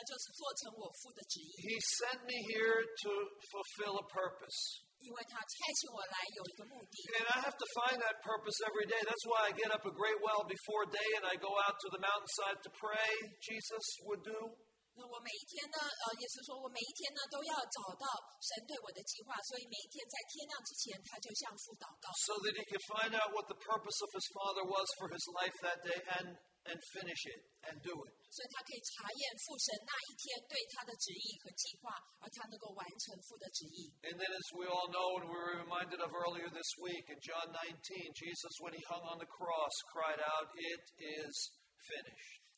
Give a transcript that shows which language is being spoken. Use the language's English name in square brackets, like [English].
[Chinese] 但是呢，真正我渴慕、我想吃的食物呢，就是做成我父的旨意。 [English] He sent me here to fulfill a purpose. [Chinese] 因为他差遣我来有一个目的。 [English] And I have to find that purpose every day. That's why I get up a great while before day and I go out to the mountainside to pray, Jesus would do. [Chinese] 我每一天呢，也是说我每一天呢都要找到神对我的计划，所以每一天在天亮之前，他就向父祷告。So [English] that he can find out what the purpose of his father was for his life that day and finish it and do it. [Chinese] 所以他可以查验父神那一天对他的旨意和计划，而他能够完成父的旨意。And [English] then, as we all know, and we were reminded of earlier this week in John 19, Jesus, when he hung on the cross, cried out, "It is finished."